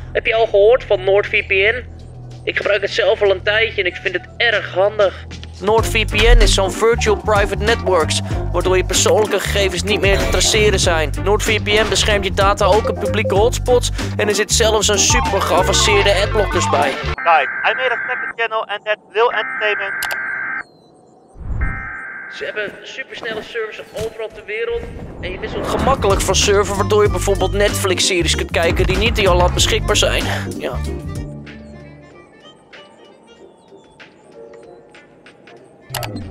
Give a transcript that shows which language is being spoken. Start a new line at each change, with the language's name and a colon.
Dutch: Heb je al gehoord van NordVPN? Ik gebruik het zelf al een tijdje en ik vind het erg handig. NordVPN is zo'n virtual private networks, waardoor je persoonlijke gegevens niet meer te traceren zijn. NordVPN beschermt je data ook op publieke hotspots en er zit zelfs een super geavanceerde adblockers bij.
English: Guys, I made a second channel and that's Lil Entertainment.
Dutch: Ze hebben supersnelle servers overal ter wereld en je wisselt gemakkelijk van server, waardoor je bijvoorbeeld Netflix series kunt kijken die niet in jouw land beschikbaar zijn. Ja.
English: Bye.